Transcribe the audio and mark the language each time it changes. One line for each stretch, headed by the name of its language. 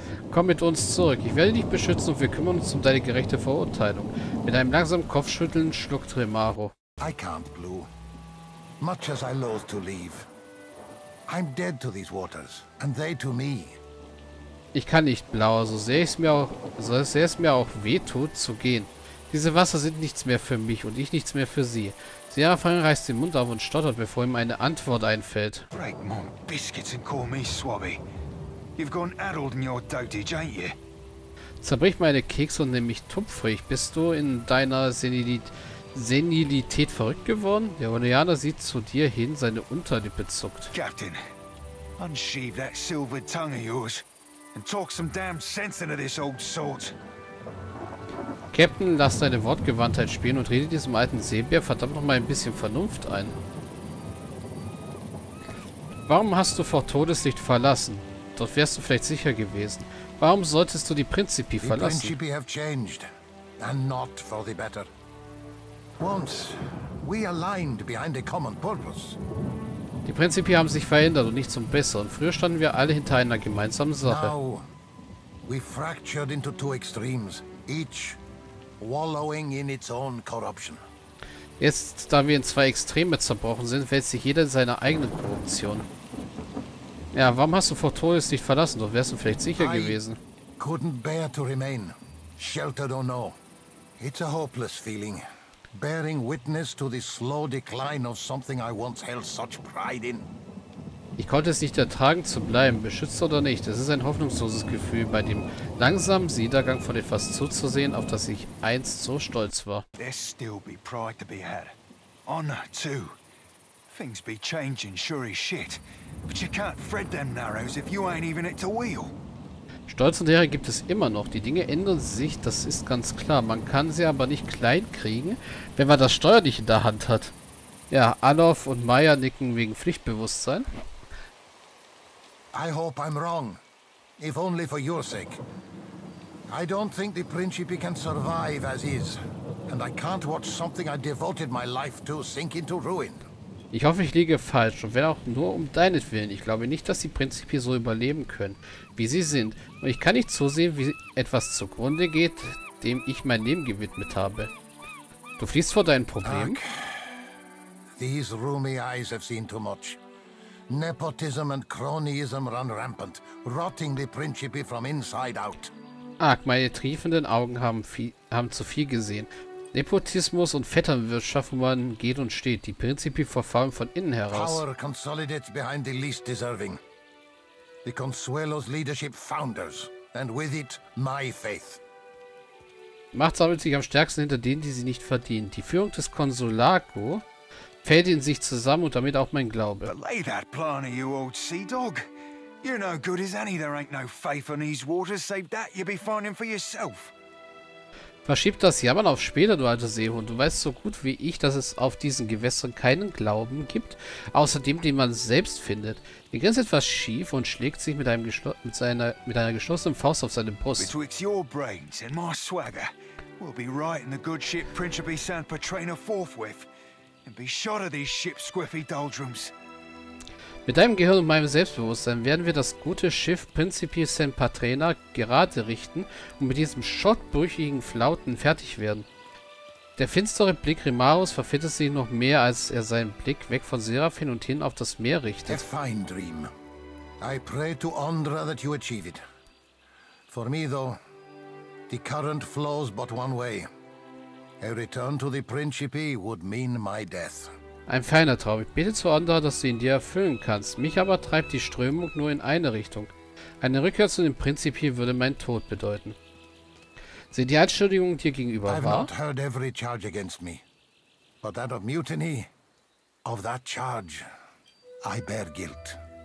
German: Komm mit uns zurück. Ich werde dich beschützen und wir kümmern uns um deine gerechte Verurteilung. Mit einem langsamen Kopfschütteln schluckt Remaro.
English: I can't, Blue. Much as I loathe to leave. I'm dead to these waters, and they to me.
German: Ich kann nicht, Blau, so sehr es mir auch wehtut, zu gehen. Diese Wasser sind nichts mehr für mich und ich nichts mehr für sie. Seraph reißt den Mund auf und stottert, bevor ihm eine Antwort einfällt.
English: Break my biscuits and call me swabby. You've gone addled in your dotage, ain't you?
German: Zerbrich meine Kekse und nimm mich tupfrig. Bist du in deiner Senilität verrückt geworden? Der Orleaner sieht zu dir hin, seine Unterlippe zuckt.
English: Captain, unsheathe that silver tongue of yours and talk some damn sense into this old sort.
German: Captain, lass deine Wortgewandtheit spielen und rede diesem alten Seebär verdammt noch mal ein bisschen Vernunft ein. Warum hast du vor Todeslicht verlassen? Dort wärst du vielleicht sicher gewesen. Warum solltest du die Principi verlassen?
English: Die Principi have changed, and not for the better. Once we aligned behind a common purpose.
German: Die Principi haben sich verändert und nicht zum Besseren. Früher standen wir alle hinter einer gemeinsamen Sache.
English: Now we fractured into two extremes, each wallowing in its own corruption.
German: Jetzt, da wir in zwei Extreme zerbrochen sind, wälzt sich jeder in seiner eigenen Korruption. Ja, warum hast du vor Todeslicht verlassen? Dort wärst du vielleicht sicher gewesen.
English: I couldn't bear to remain, sheltered or no. It's a hopeless feeling, bearing witness to the slow decline of something I once held such pride in.
German: Ich konnte es nicht ertragen zu bleiben, beschützt oder nicht. Es ist ein hoffnungsloses Gefühl, bei dem langsamen Niedergang von etwas zuzusehen, auf das ich einst so stolz war.
English: There's still be pride to be had. Honor too. Things be changing, sure as shit. But you can't thread them narrows if you ain't even at the wheel.
German: Stolz und Ehre gibt es immer noch. Die Dinge ändern sich, das ist ganz klar. Man kann sie aber nicht klein kriegen, wenn man das Steuer nicht in der Hand hat. Ja, Alof und Maya nicken wegen Pflichtbewusstsein.
English: I hope I'm wrong, if only for your sake. I don't think the Principi can survive as is, and I can't watch something I devoted my life to sink into ruin.
German: Ich hoffe, ich liege falsch, und wenn auch nur um deinetwillen. Ich glaube nicht, dass die Principi so überleben können, wie sie sind. Und ich kann nicht zusehen, wie etwas zugrunde geht, dem ich mein Leben gewidmet habe. Du fliehst vor deinen Problemen?
English: These roomy eyes have seen too much. Nepotism and cronyism run rampant, rotting the Principi from inside out.
German: Ach, meine triefenden Augen haben zu viel gesehen. Nepotismus und Vetternwirtschaft, wo man geht und steht. Die Principi verfallen von innen heraus.
English: Power consolidates behind the least deserving. The Consuelo's leadership founders, and with it my faith.
German: Macht sammelt sich am stärksten hinter denen, die sie nicht verdienen. Die Führung des Consulaco fällt in sich zusammen und damit auch mein Glaube.
English: Lay that plan, you old sea dog. You're no good as any. There ain't no faith in these waters. Save that, you'll be finding for yourself.
German: Verschieb das Jammern auf später, du alter Seehund. Du weißt so gut wie ich, dass es auf diesen Gewässern keinen Glauben gibt, außer dem, den man selbst findet. Er grinst etwas schief und schlägt sich mit einer geschlossenen Faust auf seine Brust.
English: Betwixt your brains and my swagger, We'll be right in the good ship Principi San Petrino forthwith and be shot of these ship squiffy doldrums.
German: Mit deinem Gehirn und meinem Selbstbewusstsein werden wir das gute Schiff Principi San Petrino gerade richten und mit diesem schottbrüchigen Flauten fertig werden. Der finstere Blick Rimarus verfittet sich noch mehr, als er seinen Blick weg von Seraphin und hin auf das Meer richtet.
English: A fine dream. I pray to Andra that you achieve it. For me though, the current flows but one way. A return to the Principi would mean my death.
German: Ein feiner Traum. Ich bete zu Andra, dass du ihn dir erfüllen kannst. Mich aber treibt die Strömung nur in eine Richtung. Eine Rückkehr zu dem Principi würde mein Tod bedeuten. Sind die Anschuldigungen dir gegenüber wahr?
English: I have not heard every charge against me, but that of mutiny, of that charge, I bear guilt.